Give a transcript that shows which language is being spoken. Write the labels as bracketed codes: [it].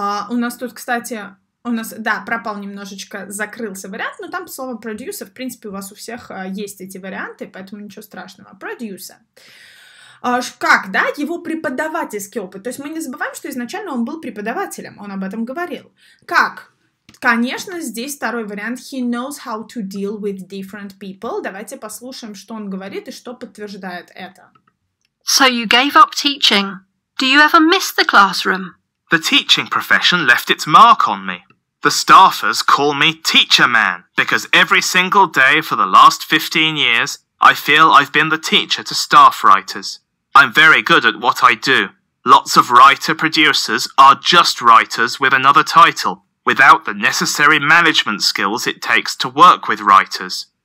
[ru] У нас тут, кстати, у нас, да, пропал немножечко, закрылся вариант, но там слово producer, в принципе, у вас у всех есть эти варианты, поэтому ничего страшного. [en] Producer. [ru] Как, да, его преподавательский опыт. То есть мы не забываем, что изначально он был преподавателем, он об этом говорил. Как? Конечно, здесь второй вариант. [en] He knows how to deal with different people. [ru] Давайте послушаем, что он говорит и что подтверждает это. [en] So you gave up teaching. Do you ever miss the classroom? The teaching profession left its mark on me. The staffers call me teacher man because every single day for the last 15 years, I feel I've been the teacher to staff writers. I'm very good at what I do. Lots of writer-producers are just writers with another title, without the necessary management skills it takes to work with writers.